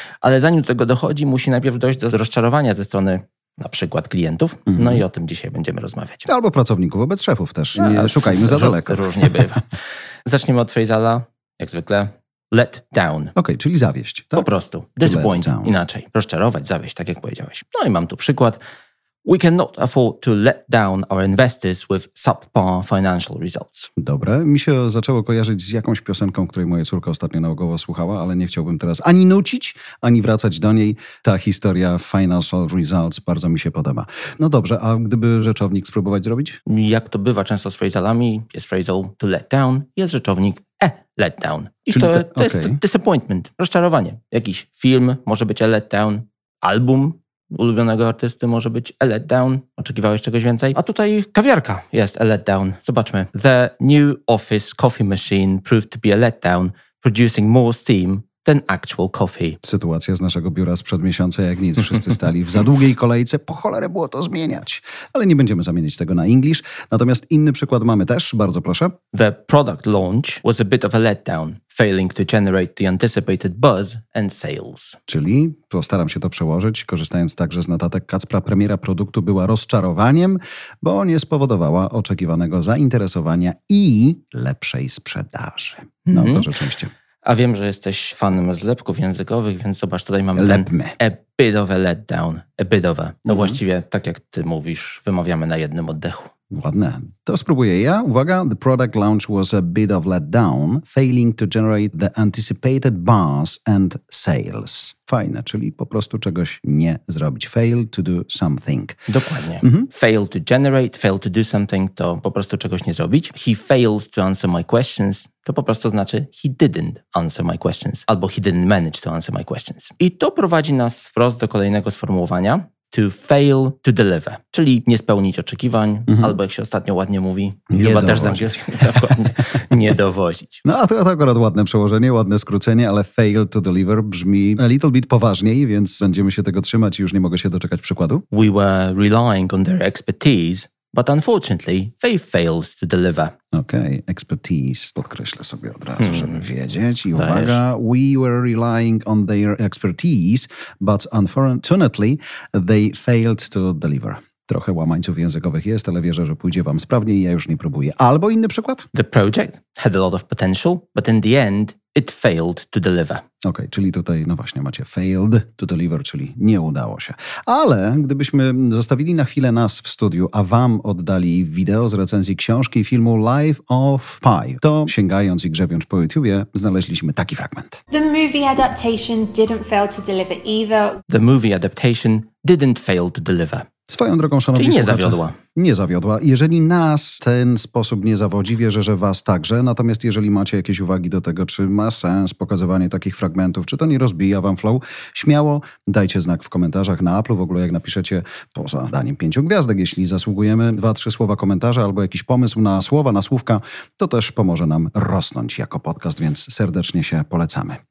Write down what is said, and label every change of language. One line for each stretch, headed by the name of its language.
Polish: Ale zanim do tego dochodzi, musi najpierw dojść do rozczarowania ze strony na przykład klientów. No i o tym dzisiaj będziemy rozmawiać. Albo pracowników wobec szefów też. Nie szukajmy za daleko. Różnie bywa. Zaczniemy od Faisala. Jak zwykle. Let down. Okej, czyli zawieść. Tak? Po prostu. Disappoint. Inaczej. Rozczarować, zawieść, tak jak powiedziałeś. No i mam tu przykład.
English: We cannot afford to let down our investors with subpar financial results.
Polish: Dobre. Mi się zaczęło kojarzyć z jakąś piosenką, której moja córka ostatnio nałogowo słuchała, ale nie chciałbym teraz ani nucić, ani wracać do niej. Ta historia financial results bardzo mi się podoba. No dobrze, a gdyby rzeczownik spróbować zrobić? Jak to bywa często z phrasalami, jest phrasal to let down, jest rzeczownik let down. I czyli to jest disappointment, rozczarowanie. Jakiś film może być a let down, album ulubionego artysty może być a letdown. Oczekiwałeś czegoś więcej? A tutaj kawiarka jest a letdown. Zobaczmy.
English: The new office coffee machine proved to be a letdown, producing more steam than actual coffee.
Polish: Sytuacja z naszego biura sprzed miesiąca jak nic. Wszyscy stali w za długiej kolejce. Po cholerę było to zmieniać. Ale nie będziemy zamieniać tego na English. Natomiast inny przykład mamy też. Bardzo proszę.
English: The product launch was a bit of a letdown, failing to generate the anticipated buzz and sales.
Polish: Czyli, postaram się to przełożyć, korzystając także z notatek Kacpra, premiera produktu była rozczarowaniem, bo nie spowodowała oczekiwanego zainteresowania i lepszej sprzedaży. No, to rzeczywiście. A wiem, że jesteś fanem zlepków językowych, więc zobacz, tutaj mamy lepmy.
English: A bit of a letdown. A bit of a.
Polish: No właściwie, tak jak ty mówisz, wymawiamy na jednym oddechu. Ładne. To spróbuję ja. Uwaga.
English: The product launch was a bit of let down, failing to generate the anticipated buzz and sales.
Polish: Fajne, czyli po prostu czegoś nie zrobić.
English: Fail to do something.
Polish: Dokładnie. Mm-hmm. Fail to generate, fail to do something, to po prostu czegoś nie zrobić.
English: He failed to answer my questions.
Polish: To po prostu znaczy
English: he didn't answer my questions. Albo he didn't manage to answer my questions.
Polish: I to prowadzi nas wprost do kolejnego sformułowania. To fail to deliver, czyli nie spełnić oczekiwań, albo jak się ostatnio ładnie mówi, nie chyba dowozić. Też zamiast nie dowozić. No a to akurat ładne przełożenie, ładne skrócenie, ale fail to deliver brzmi
English: a little bit
Polish: poważniej, więc będziemy się tego trzymać i już nie mogę się doczekać przykładu.
English: We were relying on their expertise, but unfortunately they failed to deliver.
Polish: Okej, okay, expertise, podkreślę sobie od razu, żeby wiedzieć. I uwaga,
English: we were relying on their expertise, but unfortunately they failed to deliver.
Polish: Trochę łamańców językowych jest, ale wierzę, że pójdzie wam sprawniej, ja już nie próbuję. Albo inny przykład?
English: The project had a lot of potential, but in the end it failed to deliver.
Polish: Okej, okay, czyli tutaj, no właśnie, macie failed to deliver, czyli nie udało się. Ale gdybyśmy zostawili na chwilę nas w studiu, a wam oddali wideo z recenzji książki filmu Life of Pi, to sięgając i grzebiąc po YouTubie, znaleźliśmy taki fragment.
English: The movie adaptation didn't fail to deliver either. The movie adaptation didn't fail to deliver.
Polish: Swoją drogą, szanowni słuchacze. Czyli nie zawiodła. Nie zawiodła. Jeżeli nas ten sposób nie zawodzi, wierzę, że was także. Natomiast jeżeli macie jakieś uwagi do tego, czy ma sens pokazywanie takich fragmentów, czy to nie rozbija wam flow, śmiało dajcie znak w komentarzach na Apple. W ogóle jak napiszecie poza daniem 5 gwiazdek, jeśli zasługujemy, 2-3 słowa komentarza albo jakiś pomysł na słowa, na słówka, to też pomoże nam rosnąć jako podcast, więc serdecznie się polecamy.